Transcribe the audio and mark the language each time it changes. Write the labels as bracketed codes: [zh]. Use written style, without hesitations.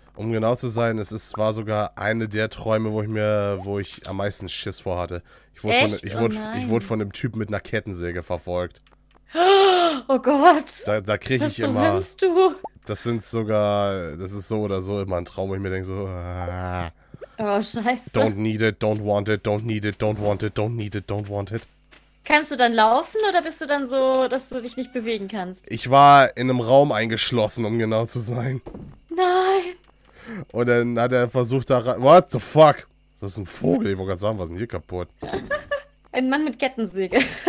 [de] Um genau zu sein, war sogar eine der Träume, wo ich am meisten Schiss vor hatte. Ich wurde von dem Typen mit einer Kettensäge verfolgt. Oh Gott! Da krieg was ich immer. Was meinst du? Das ist so oder so immer ein Traum, wo ich mir denke so. Oh Scheiße. [en] Don't need it, don't want it, don't need it, don't want it, don't need it, don't want it. [de] Kannst du dann laufen oder bist du dann so, dass du dich nicht bewegen kannst? Ich war in einem Raum eingeschlossen, um genau zu sein. Nein! Und dann hat er versucht da rein. [en] What the fuck? [de] Das ist ein Vogel, ich wollte gerade sagen, was ist denn hier kaputt? Ein Mann mit Kettensäge.